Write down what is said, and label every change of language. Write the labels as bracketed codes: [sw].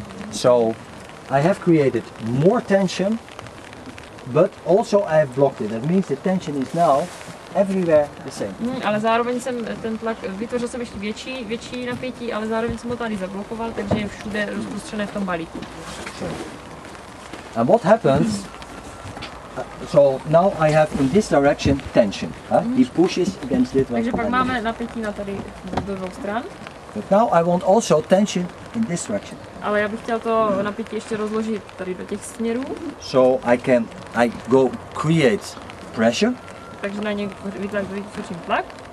[en] So, I have created more tension, but also I have blocked it. That means the tension is now everywhere the same. [cs] Hmm, ale zároveň jsem ten tlak vytvořil jsem ještě větší napětí, ale zároveň jsem ho tady zablokoval, takže je všude rozprostřené v tom balíku. [en] And what happens? So now I have in this direction tension. Huh? Mm-hmm. It pushes against it. [cs] Takže pak máme napětí na tady do dvou stran. [en] But now I want also tension in this direction. [cs] Ale já bych chtěl to napětí ještě rozložit tady do těch směrů. [en] So I go create pressure. [cs] Takže na něj vytvořím tlak.